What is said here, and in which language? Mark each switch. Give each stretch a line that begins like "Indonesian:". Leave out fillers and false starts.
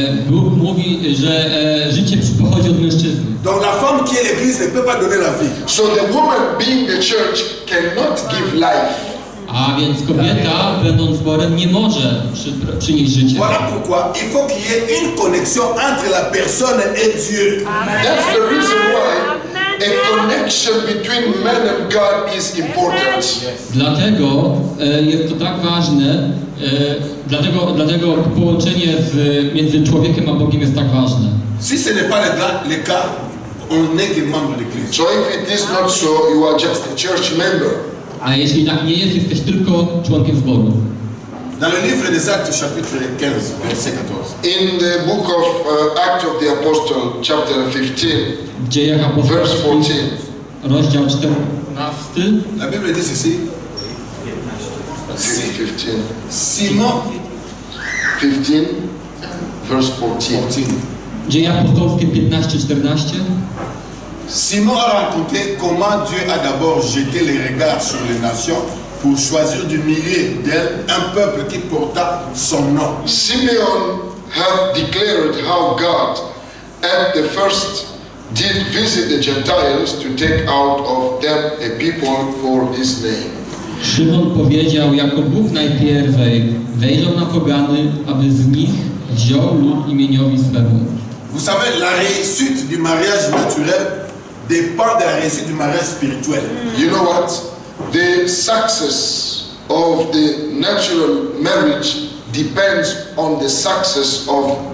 Polish: Bóg mówi, że życie pochodzi od mężczyzny.
French: Donc la femme qui est l'église ne peut pas donner la vie.
English: So the woman being the church cannot give life.
Polish: A więc kobieta, będąc zborem, nie może przynieść życia.
French: Voilà pourquoi il faut qu'il y ait une connexion entre la personne et Dieu. Amen.
English: That's the reason why a connection between man and God is important. Yes.
Polish: Dlatego jest to tak ważne, dlatego połączenie między człowiekiem a Bogiem jest tak ważne.
French: Si ce n'est pas le cas, on est un membre de l'Église.
English: So if it is not so, you are just a church member.
Polish: A jeśli tak nie jest, jesteś tylko członkiem zboru.
French: Dans le livre des Actes, chapitre 15, verset 14.
English: In the book of Acts of the Apostles, chapter 15,
Polish: Dziejach Apostolskich,
English: verse 14.
Polish: Rozdział 14.
French: La Bible dit ceci. 15. Simon.
English: 15, verse 14.
Polish: Dziejach Apostolskich, 15, 14.
French: Simon a raconté comment Dieu a d'abord jeté les regards sur les nations pour choisir du millier d'elles un peuple qui porta son nom.
English: Simeon has declared how God at the first did visit the Gentiles to take out of them a people for his name.
Polish: Szymon powiedział, jako Bóg najpierw wejrzał na pogany, aby z nich wziął lud imieniowi swego.
French: Vous savez, la réussite du mariage naturel dépend de la réussite du mariage spirituel.
English: You know what? The success of the natural marriage depends on the success of